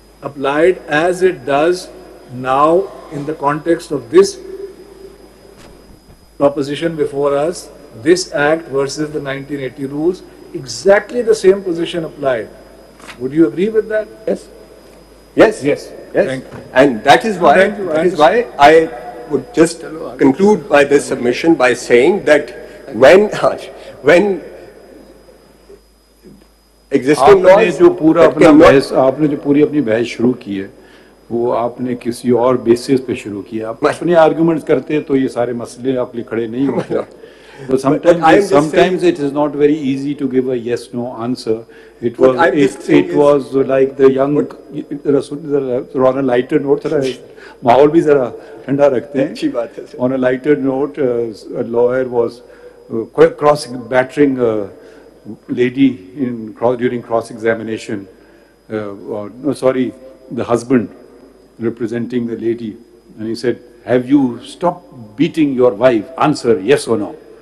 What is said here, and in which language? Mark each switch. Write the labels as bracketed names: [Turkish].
[English] applied as it does now in the context of this proposition before us, this act versus the 1980 rules, exactly the same position applied. Would you agree with that? Yes. Yes. Yes. Yes. And that is why I would just conclude by this submission by saying that when existing laws [Urdu] جو پورا اپنا بحث آپ نے جو پوری اپنی بحث شروع کی ہے وہ آپ نے کسی اور بیسس پہ شروع کی ہے. آپ اپنے آرگیومنٹ کرتے تو یہ سارے مسئلے آپ کے لیے کھڑے نہیں ہوتے. [English] But sometimes it is not very easy to give a yes no answer. It was like the young on a lighter note, [Urdu] thoda mahol bhi zara thanda rakhte hain. Achhi baat hai. [English] On a lighter note, a lawyer was cross battering a lady during cross examination, the husband representing the lady, and he said, have you stopped beating your wife? Answer yes or no.